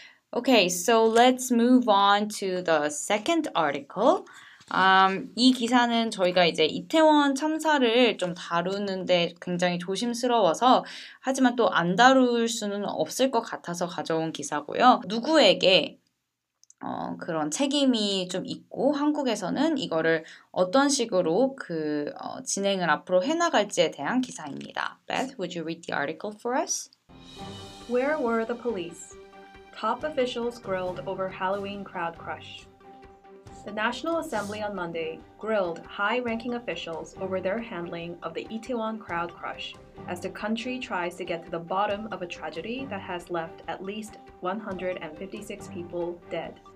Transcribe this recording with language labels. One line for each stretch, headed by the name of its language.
English: Okay, so let's move on to the second article.
Korean: 이 기사는 저희가 이제 이태원 참사를 좀 다루는데 굉장히 조심스러워서 하지만 또 안 다룰 수는 없을 것 같아서 가져온 기사고요. 누구에게 그런 책임이 좀 있고 한국에서는 이거를 어떤 식으로 진행을 앞으로 해나갈지에 대한 기사입니다.
English: Beth, would you read the article for us? Where were the police? Top officials grilled over Halloween crowd crush. The National Assembly on Monday grilled high-ranking officials over their handling of the Itaewon crowd crush as the country tries to get to the bottom of a tragedy that has left at least 156 people dead.